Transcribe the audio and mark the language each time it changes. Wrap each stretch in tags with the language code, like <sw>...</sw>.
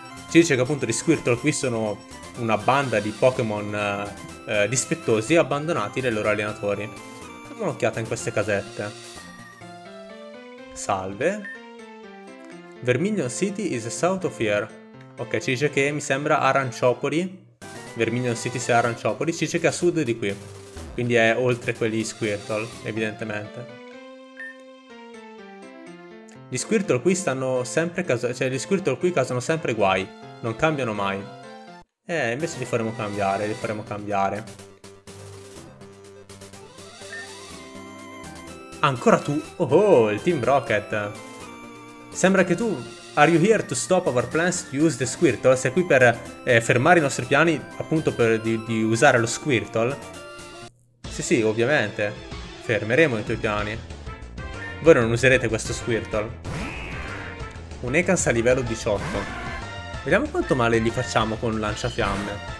<it>Ci dice che appunto gli Squirtle qui sono una banda di Pokémon dispettosi abbandonati dai loro allenatori. Diamo un'occhiata in queste casette. Salve.</it> <en>Vermilion City is south of here.</en> <it>Ok, ci dice che mi sembra Aranciopoli. Vermilion City sia Aranciopoli. Ci dice che è a sud di qui. Quindi è oltre quelli Squirtle, evidentemente. Gli Squirtle qui stanno sempre causano sempre guai. Non cambiano mai. Invece li faremo cambiare, li faremo cambiare. Ancora tu? Oh, il Team Rocket. Sembra che tu...</it> <en>Are you here to stop our plans to use the Squirtle?</en> <it>Sei qui per fermare i nostri piani appunto di usare lo Squirtle? Sì, sì, ovviamente. Fermeremo i tuoi piani. Voi non userete questo Squirtle. Un Ekans a livello 18. Vediamo quanto male gli facciamo con Lanciafiamme.</it>